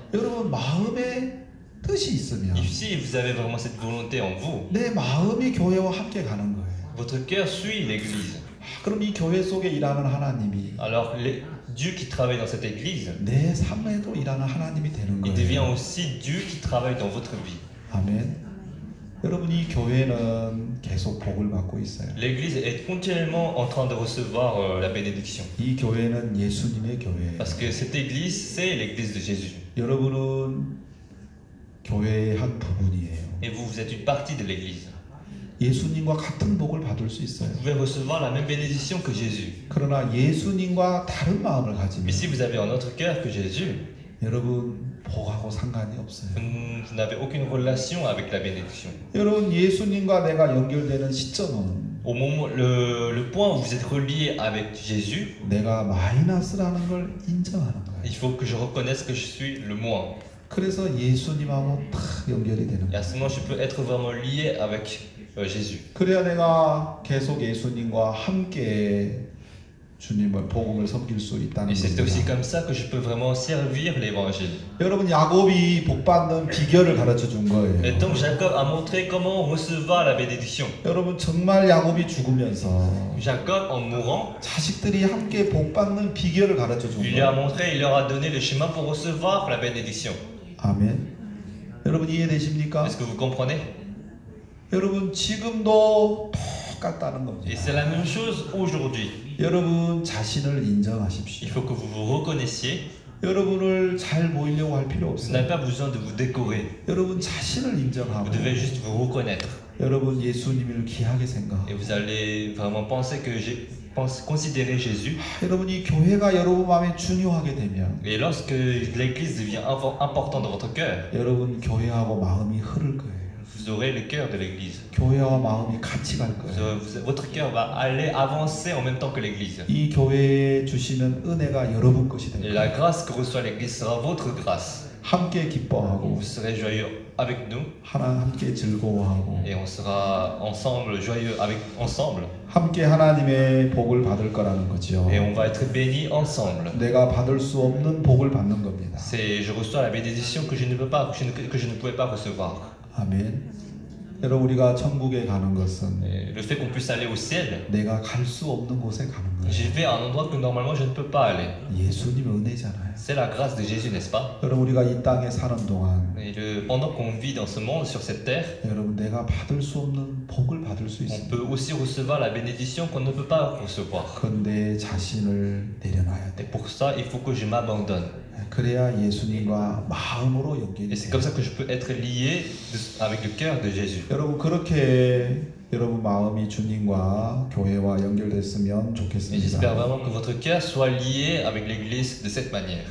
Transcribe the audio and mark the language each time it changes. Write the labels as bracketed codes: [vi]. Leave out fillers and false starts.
[ko] 여러분 마음에 뜻이 있으면. [fr] If si vous avez vraiment cette volonté en vous. [ko] 내 마음이 교회와 함께 가는 거예요. [fr] Votre cœur suit l'église. [ko] 아, 그럼 이 교회 속에 일하는 하나님이. [fr] Alors Dieu qui travaille dans cette église. [ko] 내 삶에도 일하는 하나님이 되는 거예요. [fr] Il devient aussi Dieu qui travaille dans votre vie. [ko] 아멘. 여러분 이 교회는 계속 복을 받고 있어요. [fr] L'église est continuellement en train de recevoir la bénédiction. [ko] 이 교회는 예수님의 교회예요. [fr] Parce que cette église c'est l'église de Jésus. [ko] 여러분은 교회의 한 부분이에요. [fr] Et vous êtes une partie de l'église. [ko] 예수님과 같은 복을 받을 수 있어요. [fr] Vous pouvez recevoir la même bénédiction que Jésus. [ko] 그러나 예수님과 다른 마음을 가지면 [fr] Mais si vous avez un autre cœur que Jésus. [ko] 여러분 복하고 상관이 없어요. [fr] Vous n'avez aucune relation avec la bénédiction. [ko] 여러분 예수님과 내가 연결되는 시점은 [fr] au moment le point où vous êtes relié avec Jésus. [ko] 내가 마이너스라는 걸 인정하는 거예요. [fr] Il faut que je reconnaisse que je suis le moins. [ko] 그래서 예수님하고 딱 연결이 되는 거예요. [fr] Et à ce moment, je peux être vraiment lié avec Jésus. [ko] 그래야 내가 계속 예수님과 함께 주님을 복음을 섬길 수 있다는 것입니다. [fr] C'est aussi comme ça que je peux vraiment servir l'évangile. [ko] 여러분 야곱이 복받는 비결을 가르쳐 준 거예요. [fr] Et donc Jacob a montré comment recevoir la bénédiction. [ko] 여러분 정말 야곱이 죽으면서 [fr] Jacob en mourant [ko] 자식들이 함께 복받는 비결을 가르쳐 준 거예요. [fr] Il a montré, il leur a donné le chemin pour recevoir la bénédiction. [ko] 아멘. 여러분 이해되십니까? [fr] Est-ce que vous comprenez? [ko] 여러분 지금도 똑같다는 겁니다. [fr] Et c'est la même chose aujourd'hui. [ko] 여러분 자신을 인정하십시오. [fr] Il faut que vous vous reconnaissiez. [ko] 여러분을 잘 보이려고 할 필요 없어요. [fr] Vous n'avez pas besoin de vous décorer. [ko] 여러분 자신을 인정하고. [fr] Vous devez juste vous reconnaître. [ko] 여러분 예수님을 귀하게 생각. [fr] Et vous allez vraiment penser que j'ai pense considérer Jésus. [ko] 여러분이 교회가 여러분 마음에 중요하게 되면. [fr] Et lorsque l'église devient important dans votre cœur. [ko] 여러분 교회하고 마음이 흐를 거예요. [fr] Vous aurez le cœur de l'Église. [ko] 교회와 마음이 같이 갈 거예요. [fr] Votre cœur va aller avancer en même temps que l'Église. [ko] 이 교회에 주시는 은혜가 여러분 것이 될 거예요. [fr] La grâce que reçoit l'Église sera votre grâce. [ko] 함께 기뻐하고. [fr] Vous serez joyeux avec nous. [ko] 함께 즐거워하고. [fr] Et on sera ensemble joyeux avec ensemble. [ko] 함께 하나님의 복을 받을 거라는 거죠. [fr] Et on va être bénis ensemble. [ko] 내가 받을 수 없는 복을 받는 겁니다. [fr] C'est je reçois la bénédiction que je ne peux pas que je ne pouvais pas recevoir. [ko] 아멘. 여러분 우리가 천국에 가는 것은 [fr] Le fait qu'on puisse aller au ciel [ko] 내가 갈 수 없는 곳에 가는 거예요. [fr] J'y vais à un endroit que normalement je ne peux pas aller. [ko] 예수님의 은혜잖아요. [fr] C'est la grâce de Jésus, n'est-ce pas? [ko] 여러분 우리가 이 땅에 사는 동안 [fr] Pendant qu'on vit dans ce monde sur cette terre [ko] 여러분 내가 받을 수 없는 복을 받을 수 있어요. [fr] On peut aussi recevoir la bénédiction qu'on ne peut pas recevoir. [ko] 근데 자신을 내려놔야 돼. [fr] Pour ça, il faut que je m'abandonne. [ko] 그래야 예수님과 마음으로 연결이 돼요. [fr] C'est comme ça que je peux être lié avec le cœur de Jésus. [ko] 여러분 그렇게 여러분 마음이 주님과 교회와 연결됐으면 좋겠습니다. [fr] J'espère vraiment que votre cœur soit lié avec l'église de cette manière.